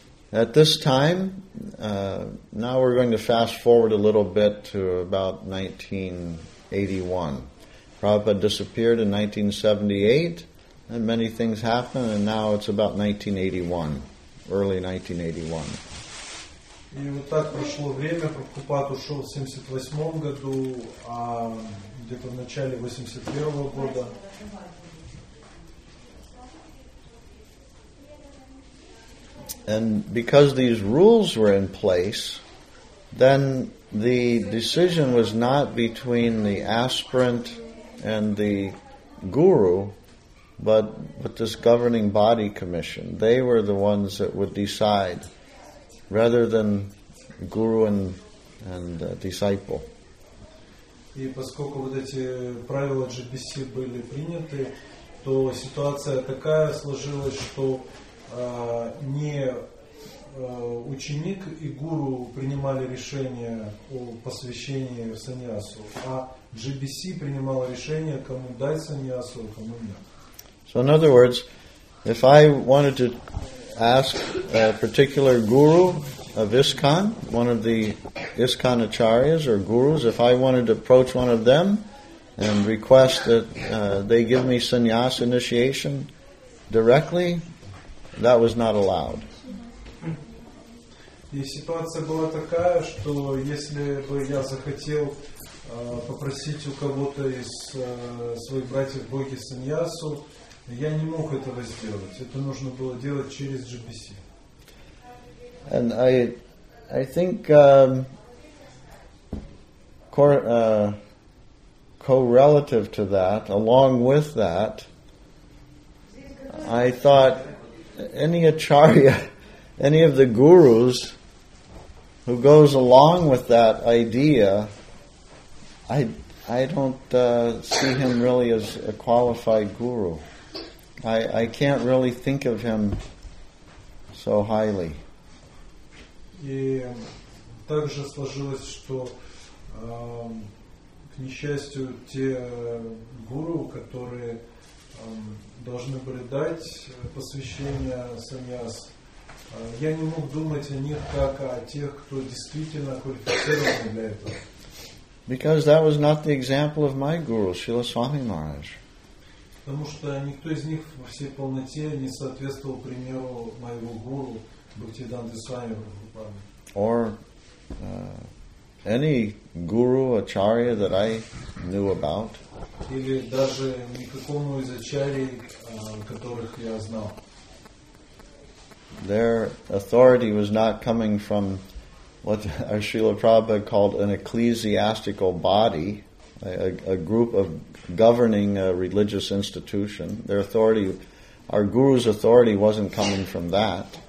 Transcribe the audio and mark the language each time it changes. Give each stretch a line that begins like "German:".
English: at this time, now we're going to fast forward a little bit to about 1981. Prabhupada disappeared in 1978, and many things happened, and now it's about 1981, early 1981.
Russian: И вот так прошло время, Прабхупад ушел в 78 году, а где-то в начале 81 года.
English: And because these rules were in place, then the decision was not between the aspirant and the guru, but this governing body commission. They were the ones that would decide, rather than guru and disciple.
Russian: И поскольку вот эти правила GBC были приняты, то ситуация такая сложилась, что не ученик и гуру принимали решение о посвящении саньясу, а GBC принимало решение, кому дать саньясу, а кому нет.
English: So in other words, if I wanted to ask a particular guru of ISKCON, one of the ISKCON acharyas or gurus, if I wanted to approach one of them and request that they give me sannyas initiation directly, that was not allowed.
Russian: И ситуация была такая, что если бы я захотел попросить у кого-то из своих братьев боги саньясу, я не мог этого сделать. Это нужно было делать через GBC.
English: And I think correlative to that, along with that, I thought any acharya, any of the gurus who goes along with that idea, I don't see him really as a qualified guru. I can't really think of him so highly.
Russian: И также сложилось, что к несчастью, те гуру, которые должны были дать посвящение саньяс, я не мог думать о них как о тех, кто действительно квалифицирован для этого.
English: Because that was not the example of my guru, Srila Swami Maharaj.
Russian: Потому что никто из них во всей полноте не соответствовал примеру моего гуру, Бхактиданты Свами Прабхупады.
English: Or any guru, acharya that I knew about.
Russian: Или даже никакому из ачарий, которых я знал.
English: Their authority was not coming from what Srila Prabhupada called an ecclesiastical body, a group of governing a religious institution. Their authority, our guru's authority, wasn't coming from that.